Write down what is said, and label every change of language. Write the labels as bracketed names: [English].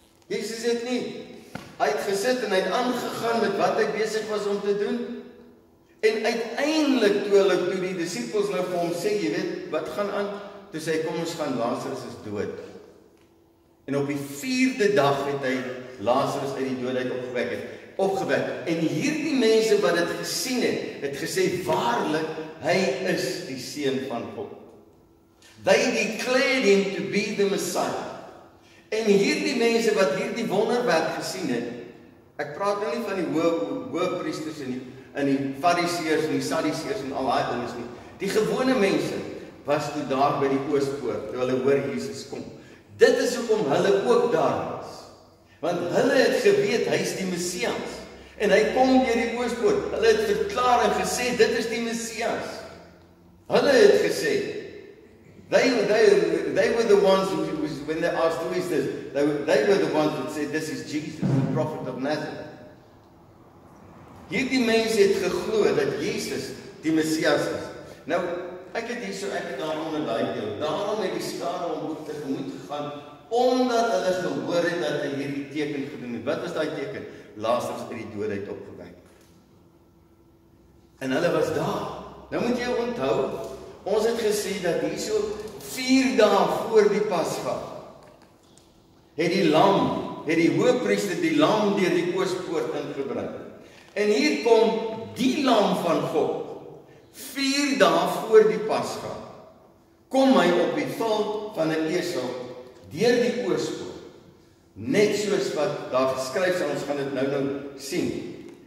[Afrikaans] Jesus het nie uitgesit en hy het aangegaan met wat hy besig was om te doen. En uiteindelik toe die disippels nou vir hom sê, jy weet, wat gaan aan? Toe sê hy, kom ons gaan, Lazarus is dood. En op die vierde dag het hy Lazarus uit die doodheid opgewek. En hierdie mense wat dit gesien het, het gesê, waarlik, hy is die seun van God. [English] They declared him to be the Messiah. [Afrikaans] En hierdie mense wat hierdie wonderwerk gesien het, ek praat nie van die hoëpriesters en die fariseers en die sadiseers en al daai dinges nie. Die gewone mense was toe daar by die oospoort, toe hulle hoor Jesus kom. Dit is hoekom hulle ook daar was. Want hulle het geweet, hy is die Messias. En hy kom deur die oospoort. Hulle het verklaar en gesê, dit is die Messias. Hulle het gesê, [English] they were the ones who was, when they asked who is this, they were the ones that said, this is Jesus, the prophet of Nazareth. [Afrikaans] Hierdie mense het geglo dat Jesus die Messias is. Nou, ek het hier so, ek het daar onder daai deel. Daarom het die skare hom tegemoet gegaan, omdat hulle gehoor het dat hy hierdie teken gedoen het. Wat was daai teken? Lazarus uit die dood uit opgewek. En hulle was daar. Nou moet jy onthou, ons het gesê dat hier so 4 dae voor die Pasga het die hoëpriester die lam deur die oospoort ingebring. En hier kom die lam van God, 4 dae voor die Pasga, kom hy op die val van 'n esel, deur die oospoort, net soos wat daar geskryf is, ons gaan dit nou sien.